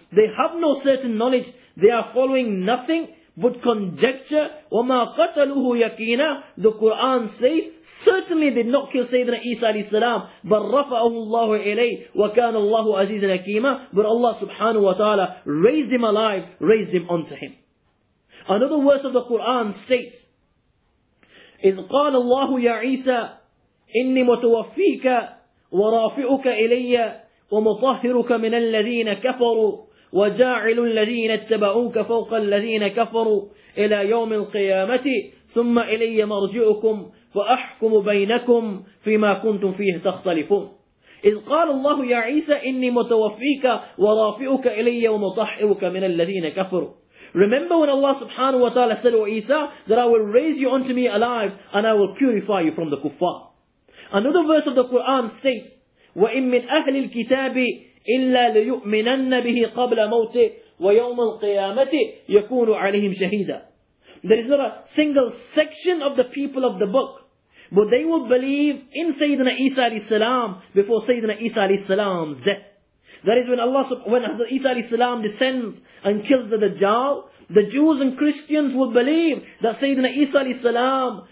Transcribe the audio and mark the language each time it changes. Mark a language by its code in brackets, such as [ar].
[en] They have no certain knowledge. They are following nothing but conjecture. [ar] وَمَا قَتَلُوهُ يَقِينًا. [en] The Quran says, certainly did not kill Sayyidina Isa a.s. [ar] بَلْ رَفَعَهُ اللَّهُ إِلَيْهِ وَكَانَ اللَّهُ عَزِيزًا حَكِيمًا. [en] But Allah subhanahu wa ta'ala raised him alive, raised him unto him. Another verse of the Quran states, [ar] إِذْ قَالَ اللَّهُ يَا عِيسَى إني متوفيك ورافعك إلي ومطهرك من الذين كفروا وجاعل الذين اتبعوك فوق الذين كفروا إلى يوم القيامة ثم إلي مرجعكم فأحكم بينكم فيما كنتم فيه تختلفون. إذ قال الله يا عيسى إني متوفيك ورافعك إلي ومطهرك من الذين كفروا. [en] Remember when Allah subhanahu wa ta'ala said to Isa that I will raise you unto me alive and I will purify you from the kuffar. Another verse of the Quran states, [ar] وَإِن مِّنْ أَهْلِ الْكِتَابِ إِلَّا لَيُؤْمِنَنَّ بِهِ قَبْلَ مَوْتِ وَيَوْمَ الْقِيَامَةِ يَكُونُ عَلَيْهِمْ شَهِيدًا. [en] There is not a single section of the people of the book, but they will believe in Sayyidina Isa a.s. before Sayyidina Isa a.s.'s death. That is when Allah, when Hazrat Isa a.s. descends and kills the Dajjal, the Jews and Christians will believe that Sayyidina Isa a.s.